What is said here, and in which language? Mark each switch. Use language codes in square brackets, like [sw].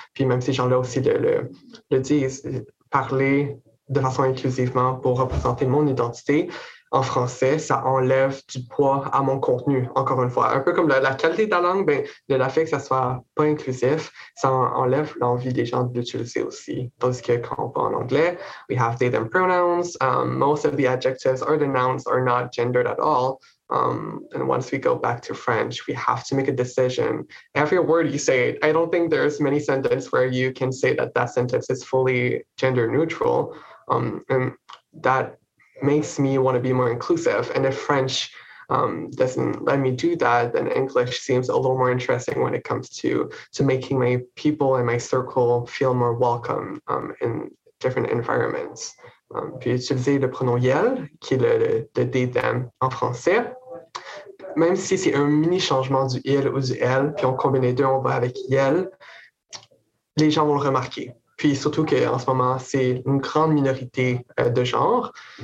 [fr] Puis même ces gens-là aussi le disent, parler de façon inclusivement pour représenter mon identité en français, ça enlève du poids à mon contenu, encore une fois. Un peu comme la qualité de la langue, ben, de la fait que ça soit pas inclusif, ça enlève l'envie des gens de l'utiliser aussi. Tandis que quand on parle en anglais, [en] we have they, them pronouns. Most of the adjectives or the nouns are not gendered at all. And once we go back to French, we have to make a decision. Every word you say, I don't think there's many sentences where you can say that sentence is fully gender neutral. And that makes me want to be more inclusive. And if French doesn't let me do that, then English seems a little more interesting when it comes to making my people and my circle feel more welcome in different environments. [fr] Puis utiliser le pronom YEL, qui est le they, them en français. Même si c'est un mini changement du il ou du elle, puis on combine les deux, on va avec YEL, les gens vont le remarquer. Puis surtout qu'en ce moment, c'est une grande minorité de genre.